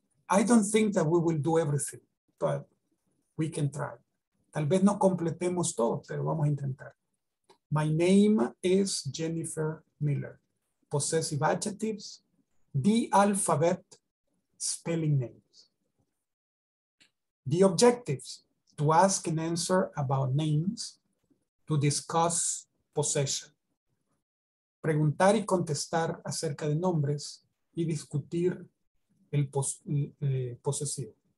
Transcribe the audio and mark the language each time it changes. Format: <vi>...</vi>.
<en>I don't think that we will do everything, but we can try.</en> <es>Tal vez no completemos todo, pero vamos a intentar.</es> <en>My name is Jennifer Miller. Possessive adjectives, the alphabet, spelling names. The objectives, to ask and answer about names, to discuss possession.</en> <es>Preguntar y contestar acerca de nombres y discutir el posesivo.</es>